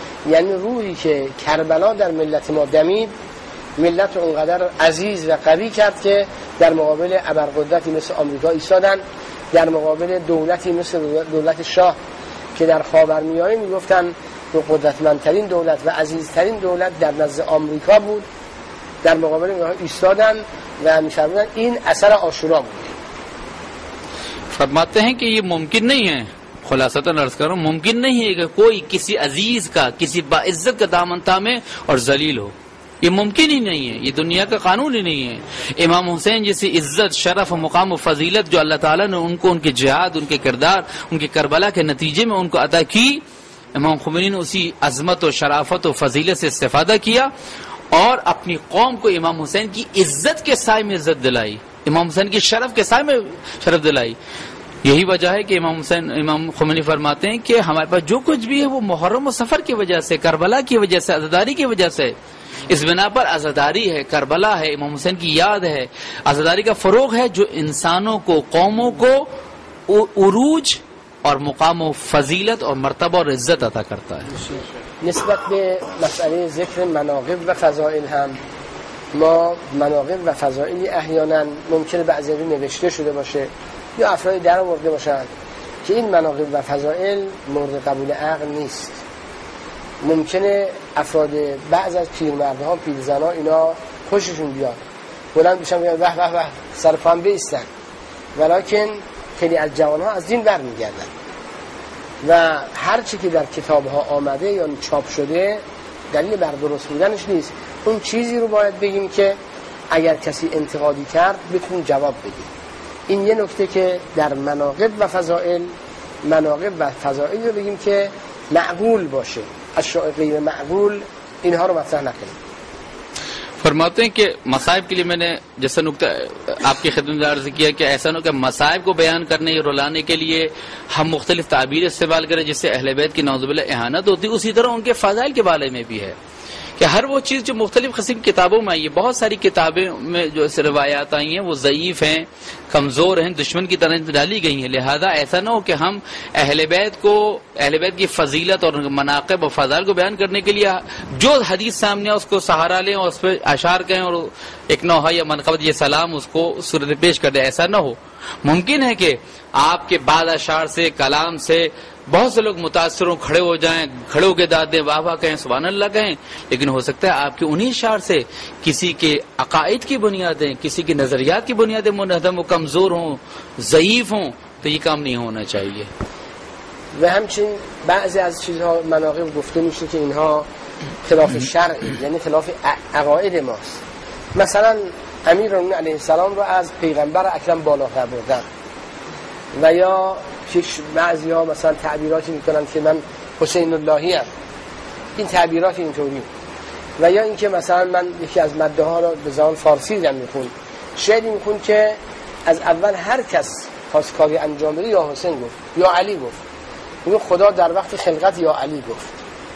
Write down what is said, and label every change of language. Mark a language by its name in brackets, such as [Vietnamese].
[Persian] یعنی روحی که کربلا در ملت ما دمید، ملت رو اونقدر عزیز و قوی کرد که در مقابل ابرقدرتی مثل آمریکا ایستادن، در مقابل دولتی مثل دولت شاه که در خاورمیانه میگفتن دو قدرتمندترین دولت و عزیزترین دولت در نزد آمریکا بود، در مقابل اینها ایستادن و میشنوند این اثر عاشورا بود. [Urdu] فرماتے ہیں کہ یہ ممکن نہیں ہے. خلاصتاً عرض کروں، ممکن نہیں ہے کہ کوئی کسی عزیز کا، کسی با عزت کا دامن تھامے اور ذلیل ہو. یہ ممکن ہی نہیں ہے، یہ دنیا کا قانون ہی نہیں ہے. امام حسین جیسی عزت، شرف، مقام و فضیلت جو اللہ تعالیٰ نے ان کو ان کے جہاد، ان کے کردار، ان کے کربلا کے نتیجے میں ان کو عطا کی، امام خمینی نے اسی عظمت و شرافت و فضیلت سے استفادہ کیا اور اپنی قوم کو امام حسین کی عزت کے سائے میں عزت دلائی، امام حسین کی شرف کے سائے میں شرف دلائی. یہی وجہ ہے کہ امام حسین، امام خمینی فرماتے ہیں کہ ہمارے پاس جو کچھ بھی ہے وہ محرم و سفر کی وجہ سے، کربلا کی وجہ سے، عزاداری کی وجہ سے. اس بنا پر عزاداری ہے، کربلا ہے، امام حسین کی یاد ہے، عزاداری کا فروغ ہے جو انسانوں کو، قوموں کو عروج اور مقام و فضیلت اور مرتبہ اور عزت عطا کرتا ہے. [Persian] نسبت به مسئله ذکر مناقب و فضائل هم، ما مناقب و فضائلی احیانا ممکنه بعضی رو نوشته شده باشه یا افرادی در آورده باشند که این مناقب و فضائل مورد قبول عقل نیست. ممکنه افراد بعض از پیرمردها، پیرزنها، اینا خوششون بیاد، بلند میشن میگن وح وح وح سرفان بیستن، ولیکن خیلی از جوان ها از دین بر میگردن و هر چی که در کتاب ها آمده یا چاپ شده دلیل بر درست بودنش نیست. اون چیزی رو باید بگیم که اگر کسی انتقادی کرد بتون جواب بده. این یه نکته که در مناقب و فضائل، مناقب و فضائل رو بگیم که معقول باشه، اشیاء غیر معقول اینها رو مطرح نکنیم. [Urdu] فرماتے ہیں کہ مصائب کے لیے میں نے جیسا نقطہ آپ کی خدمت میں عرض کیا کہ ایسا نہ کہ مصائب کو بیان کرنے یا رلانے کے لیے ہم مختلف تعبیر استعمال کریں جس سے اہل بیت کی نعوذ باللہ اہانت ہوتی، اسی طرح ان کے فضائل کے بارے میں بھی ہے کہ ہر وہ چیز جو مختلف قسم کتابوں میں آئی ہے، بہت ساری کتابیں میں جو اس روایات آئی ہیں وہ ضعیف ہیں، کمزور ہیں، دشمن کی طرح ڈالی گئی ہیں، لہذا ایسا نہ ہو کہ ہم اہل بیت کو، اہل بیت کی فضیلت اور مناقب و فضائل کو بیان کرنے کے لیے جو حدیث سامنے آئے اس کو سہارا لیں اور اس پہ اشعار کہیں اور ایک نوحہ یا منقبت یہ سلام اس کو صورت پیش کر دیں، ایسا نہ ہو. ممکن ہے کہ آپ کے بعض اشعار سے، کلام سے بہت سے لوگ متاثر ہوں، کھڑے ہو جائیں، کھڑے ہو کے دادیں واہ واہ کہیں، سبحان اللہ کہیں، لیکن ہو سکتا ہے آپ کے انہی اشعار سے کسی کے عقائد کی بنیادیں، کسی کے نظریات کی بنیادیں منہدم ہو، کمزور ہوں، ضعیف ہوں، تو یہ کام نہیں ہونا چاہیے. [Persian] و همچنین بعضی از چیزها مناقب گفته میشه که اینها خلاف شرع، یعنی خلاف عقائد ماست. مثلا امیرالمومنین علیه السلام رو از پیغمبر اکرم بالاتر بردن، و یا کش بعضی ها مثلا تعبیراتی میکنن که من حسین اللهی هم، این تعبیرات اینطوری، و یا اینکه مثلا من یکی از مده ها رو به زبان فارسی دارم میخون، شعری میخون که از اول هر کس خواست کاری انجام بده یا حسین گفت یا علی گفت، میگه خدا در وقت خلقت یا علی گفت.